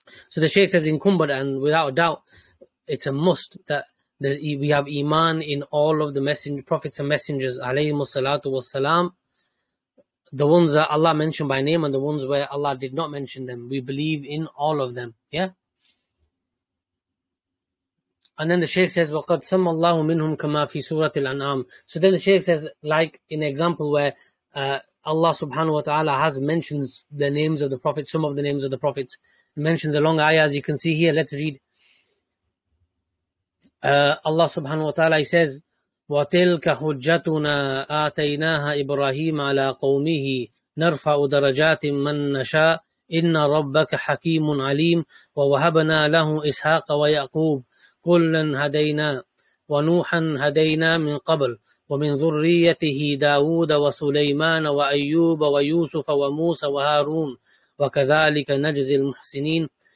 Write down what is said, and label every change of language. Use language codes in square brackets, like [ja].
[en] So the Shaykh says, incumbent, and without a doubt, it's a must that we have iman in all of the prophets and messengers, alayhi salatu wa salam, the ones that Allah mentioned by name and the ones where Allah did not mention them. We believe in all of them. Yeah. And then the Shaykh says, [ar] وَقَدْ سَمَّ اللَّهُ مِنْهُمْ كَمَا فِي سُورَةِ الْأَنْعَامِ. [en] So then the Shaykh says, like in an example where Allah subhanahu wa ta'ala has mentioned the names of the prophets, some of the names of the prophets, mentions a long ayah, as you can see here. Let's read. Allah subhanahu wa ta'ala, he says, [ar] وَتِلْكَ حُجَّتُنَا آتَيْنَاهَا إِبْرَاهِيمَ عَلَىٰ قَوْمِهِ نَرْفَعُ دَرَجَاتٍ مَنْ نَشَاءُ إِنَّ رَبَّكَ حَكِيمٌ عَلِيمٌ وَوَهَبْنَا لَهُ إِسْحَاقَ وَيَعْقُوبَ كُلًّا هَدَيْنَا وَنُوحًا هَدَيْنَا مِنْ قَبْلُ وَمِنْ ذُرِّيَّتِهِ دَاوُودَ وَسُلَيْمَانَ وَأَيُّوبَ وَيُوسُفَ وَمُوسَى وَهَارُونَ وَكَذَلِكَ نَجْزِي الْمُحْسِنِينَ